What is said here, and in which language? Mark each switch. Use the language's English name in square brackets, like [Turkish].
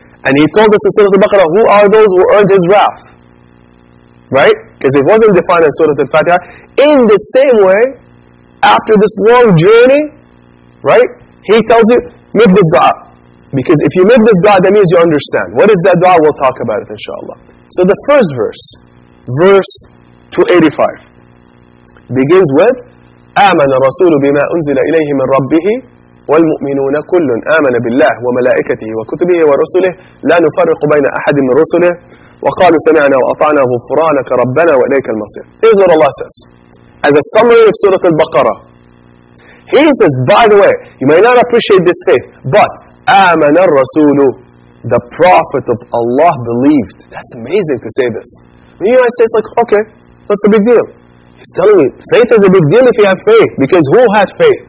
[English] And he told us in Surah Al-Baqarah, who are those who earned his wrath? Right? Because it wasn't defined in Surah Al-Fatiha. In the same way, after this long journey, right, he tells you, make this dua. Because if you make this dua, that means you understand. What is that dua? We'll talk about it, inshallah. So the first verse, verse 285, begins with, [Arabic] آمن الرسول بما أنزل إليه من ربه والمؤمنون كل آمن بالله وملائكته وكتبه ورسله لا نفرق بين أحد من رسله وقالوا سمعنا وأطعنا غفرانك ربنا وإليك المصير. [English] Here's what Allah says. As a summary of Surah Al-Baqarah, He says, by the way, you may not appreciate this faith, but [Arabic] آمن الرسول, [English] the Prophet of Allah believed. That's amazing to say this. You might say, it's like, okay, that's a big deal. He's telling me, faith is a big deal if you have faith. Because who had faith?